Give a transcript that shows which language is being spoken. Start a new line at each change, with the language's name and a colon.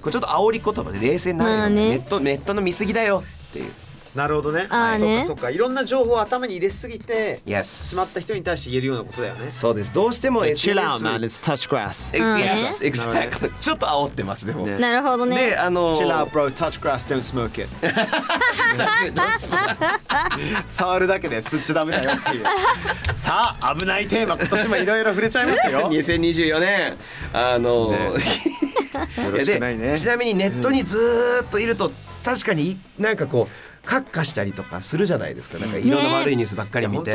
Japanese: これちょっと煽り言葉で冷静になるよ、ね、ネットの見すぎだよっていう。なるほどね、あ、はい、そっかそっか、いろんな情報を頭に入れすぎて、
English: yes.
Japanese: しまった人に対して言えるようなことだよね。そうです、どうしても
English: SNS… Chill out man, it's touch grass. Yes, exactly.
Japanese: ちょっと煽ってますでも、ね、なるほどね、で、
English: Chill out bro, touch grass, don't smoke it. Don't smoke it.
Japanese: 触るだけで吸っちゃダメだよっていう。さあ、危ないテーマ、今年もいろいろ触れちゃいますよ。 2024年、よろしくないね。ちなみにネットにずっといると、うん、確かになんかこう閣下したりとかするじゃないですか、なんかいろんな悪いニュースばっかり見て、